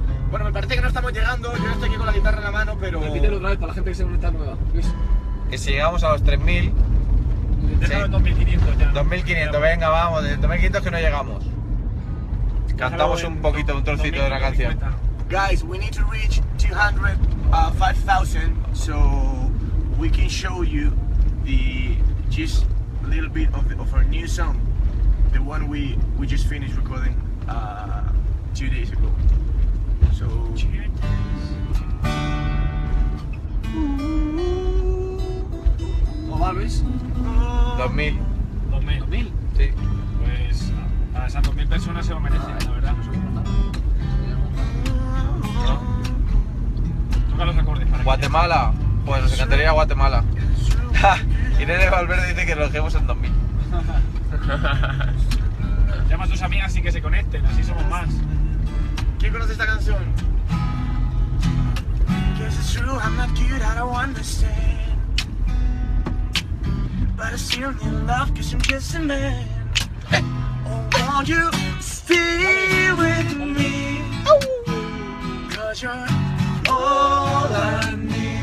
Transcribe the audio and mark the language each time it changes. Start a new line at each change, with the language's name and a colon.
Spanish: Bueno, me parece que no estamos llegando, yo no estoy aquí con la guitarra en la mano, pero... Repítelo otra vez para la gente que se conecta nueva. Luis. que si llegamos a los 3.000... Déjalo en 2.500 ya. 2.500, venga, vamos, de 2.500 que no llegamos. Cantamos un poquito, un trocito de la canción.
English: Guys, we need to reach 205,000, so we can show you the just a little bit of, the, of our new song, the one we just finished recording 2 days ago. So.
Spanish: ¿Cómo va, Luis? 2000. ¿2000? Sí. Pues a esas 2000 personas se lo merecen, la verdad. Guatemala, pues nos encantaría Guatemala. Irene Valverde dice que lo dejemos en 2000. Llama a tus amigas sin que se conecten, así somos más. ¿Quién conoce esta canción?
English: Guess it's true, I'm not good, I don't understand. But I still need love, cause I'm just a man. Oh, won't you stay with me? Cause you're all I need.